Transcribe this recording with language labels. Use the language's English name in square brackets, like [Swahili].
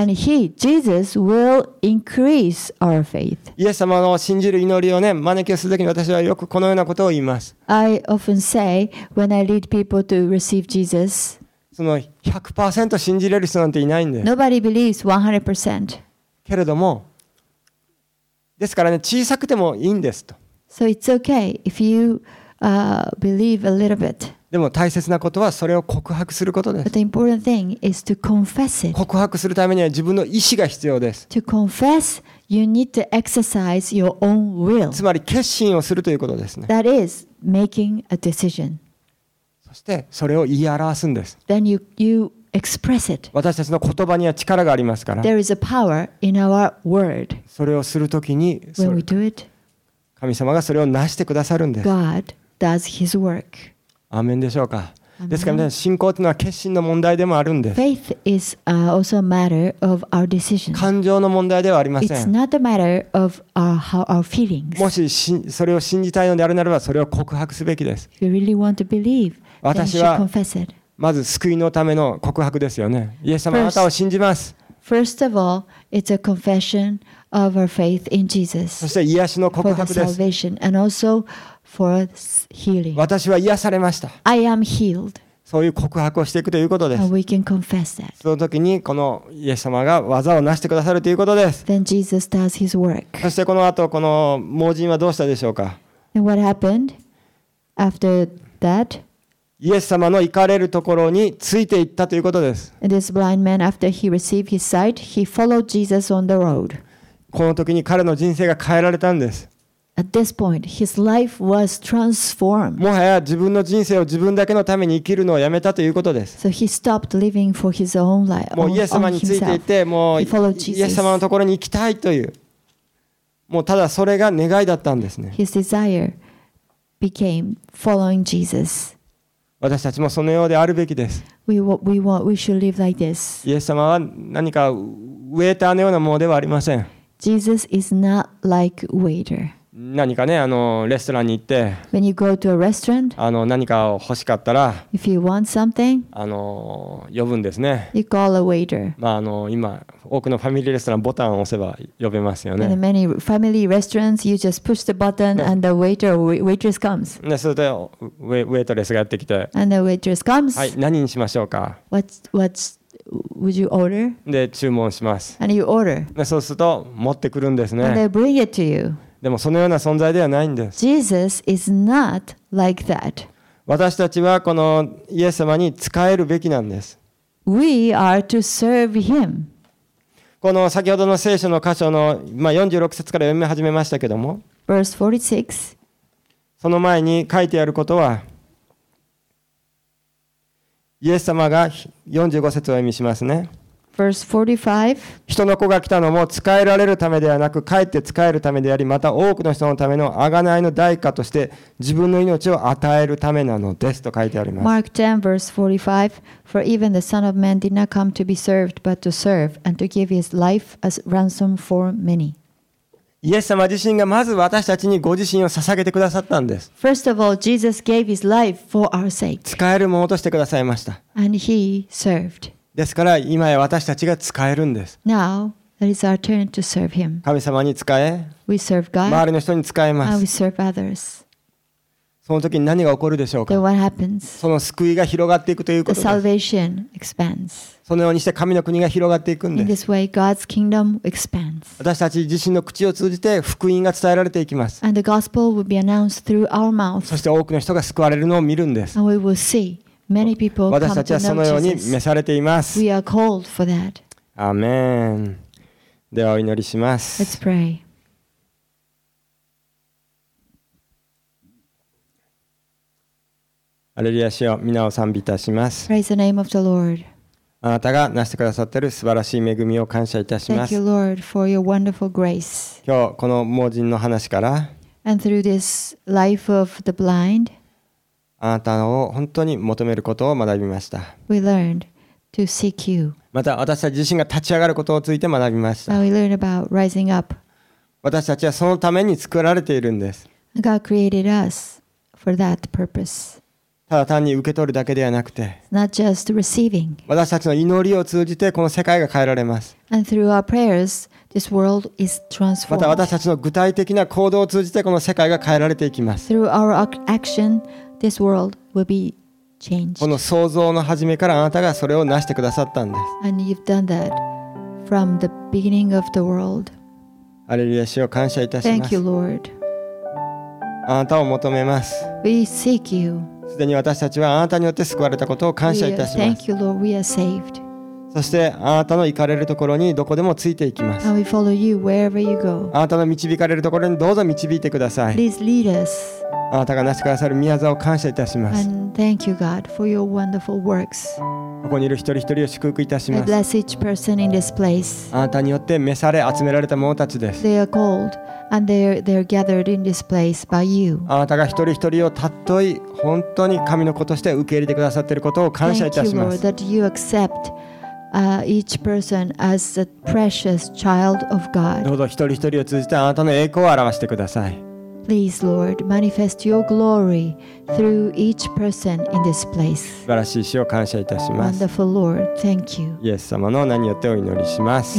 [English] And he, Jesus, will increase our faith. [Japanese] イエス様の信じる祈りをね、招きをするときに私はよくこのようなことを言います。 [English] I often say when I lead people to receive Jesus. [Japanese] その 100% 信じれる人なんていないんです。 [English] Nobody believes 100%. [Japanese] けれども、ですからね、小さくてもいいんですと。 [English] So it's okay if you believe a little bit. [Japanese] でも大切なことはそれを告白することです。 [English] But the important thing is to confess it. [Japanese] 告白するためには自分の意思が必要です。 [English] To confess, you need to exercise your own will. [Japanese] つまり決心をするということですね。 [English] That is making a decision. [Japanese] そしてそれを言い表すんです。 [English] Then you express it. [Japanese] 私たちの言葉には力がありますから。 [English] There is a power in our word. [Japanese] それをするときに、 [English] When we do it, [Japanese] 神様がそれを成してくださるんです。 [English] God does His work. [Japanese] アーメンでしょうか。ですから、ね、信仰というのは決心の問題でもあるんです。 [English] Faith is also a matter of our decision. [Japanese] 感情の問題ではありません。 [English] It's not a matter of our feelings. [Japanese] もしそれを信じたいのであるならば、それを告白すべきです。 [English] If you really want to believe, then you confess it. [Japanese] 私はまず救いのための告白ですよね。イエス様、あなたを信じます。 [English] First of all, it's a confession of our faith in Jesus. [Japanese] そして癒しの告白です。 [English] For salvation and also For healing. [Japanese] 私は癒されました。 [English] I am healed. [Japanese] そういう告白をしていくということです。 [English] And we can confess that. [Japanese] その時にこのイエス様が技を成してくださるということです。 [English] Then Jesus does his work. [Japanese] そしてこの後この盲人はどうしたでしょうか。 [English] And what happened after that? [Japanese] イエス様の行かれるところについて行ったということです。 [English] And this blind man, after he received his sight, he followed Jesus on the road. [Japanese] この時に彼の人生が変えられたんです。 [English] At this point, his life was transformed. [Japanese] もはや自分の人生を自分だけのために生きるのをやめたということです。 [English] So he stopped living for his own life. [Japanese] もうイエス様についていて、もうイエス様のところに行きたいという、もうただそれが願いだったんですね。 [English] His desire became following Jesus. [Japanese] 私たちもそのようであるべきです。 [English] We should live like this. [Japanese] イエス様は何かウェイターのようなものではありません。 [English] Jesus is not like waiter. [Japanese] 何かね、レストランに行って、 [English] When you go to a restaurant, [Japanese] 何かを欲しかったら、 [English] If you want something, [Japanese] 呼ぶんですね。 [English] You call a waiter. [Japanese] まあ、今、多くのファミリーレストラン、ボタンを押せば呼べますよね。 [English] In many family restaurants, you just push the button and the waiter or waitress comes. [Japanese] で、それで、ウェイトレスがやってきて、 [English] And the waitress comes. [Japanese] はい、何にしましょうか。 [English] What's would you order? [Japanese] で、注文します。 [English] And you order. [Japanese] で、そうすると、持ってくるんですね。 [English] And they bring it to you. [Japanese] でもそのような存在ではないんです。 [English] Jesus is not like that. [Japanese] 私たちはこのイエス様に仕えるべきなんです。 [English] We are to serve him. [Japanese] この先ほどの聖書の箇所の、まあ、46節から読み始めましたけども、 [English] Verse 46. [Japanese] その前に書いてあることは、イエス様が45節を読みしますね。 [English] Verse 45. [Japanese] 人の子が来たのも使えられるためではなく、かえって使えるためであり、また多くの人のための贖いの代価として自分の命を与えるためなのですと書いてあります。 [English] Mark 10 verse 45. For even the Son of Man did not come to be served, but to serve, and to give his life as ransom for many. [Japanese] イエス様自身がまず私たちにご自身を捧げてくださったんです。 [English] First of all, Jesus gave his life for our sake. [Japanese] 使えるものとしてくださいました。 [English] And he served. [Japanese] ですから今や私たちが使えるんです。 [English] Now, that is our turn to serve him. [Japanese] 神様に使え、 [English] we serve God, [Japanese] 周りの人に使えます。 [English] And we serve others. [Japanese] その時に何が起こるでしょうか。 [English] Then what happens? [Japanese] その救いが広がっていくということです。 [English] The salvation expands. [Japanese] そのようにして神の国が広がっていくんです。 [English] In this way, God's kingdom expands. [Japanese] 私たち自身の口を通じて福音が伝えられていきます。 [English] And the gospel will be announced through our mouth. [Japanese] そして多くの人が救われるのを見るんです。 [English] And we will see. Many people come to know Jesus. [Japanese] 私たちはそのように召されています。 [English] We are called for that. [Japanese] アーメン。ではお祈りします。 [English] Let's pray. [Japanese] アレルヤ主よ、皆を賛美いたします。 [English] Praise the name of the Lord. [Japanese] あなたがなしてくださっている素晴らしい恵みを感謝いたします。 [English] Thank you, Lord, for your wonderful grace. [Japanese] 今日この盲人の話から。 [English] And through this life of the blind. [Japanese] あなたを本当に求めることを学びました。 [English] We learned to seek you. [Japanese] また私たち自身が立ち上がることについて学びました。 [English] We learned about rising up. [Japanese] 私たちはそのために作られているんです。 [English] God created us for that purpose. [Japanese] ただ単に受け取るだけではなくて、 [English] Not just receiving. [Japanese] 私たちの祈りを通じてこの世界が変えられます。 [English] And through our prayers, this world is transformed. [Japanese] また私たちの具体的な行動を通じてこの世界が変えられていきます。 [English] Through our action,This world will be changed. [Japanese] この創造の始めからあなたがそれを成してくださったんです。 [English] And you've done that from the beginning of the world. [Japanese] ハレルヤ、主を感謝いたします。 [English] Thank you, Lord. [Japanese] あなたを求めます。 [English] We seek you. [Japanese] すでに私たちはあなたによって救われたことを感謝いたします。 [English] Thank you, Lord. We are saved. [Japanese] そしてあなたの行かれるところにどこでもついていきます。 [English] And we follow you wherever you go. [Japanese] あなたの導かれるところにどうぞ導いてください。 [English] Please lead us. [Japanese] あなたがなしてくださる御業を感謝いたします。 [English] And thank you, God, for your wonderful works. [Japanese] ここにいる一人一人を祝福いたします。 [English] I bless each person in this place. [Japanese] あなたによって召され集められた者たちです。 [English] They are called and they're gathered in this place by you. [Japanese] あなたが一人一人をたっとい本当に神の子として受け入れてくださっていることを感謝いたします。 [English] Thank you, Lord, that you accept each person as a precious child of God. [Japanese] どうぞ一人一人を通じてあなたの栄光を表してください。 [English] Please, Lord, manifest your glory through each person in this place. [Japanese] 素晴らしい主を感謝いたします。 [English] Wonderful Lord, thank you. [Japanese] イエス様の名によってお祈りします。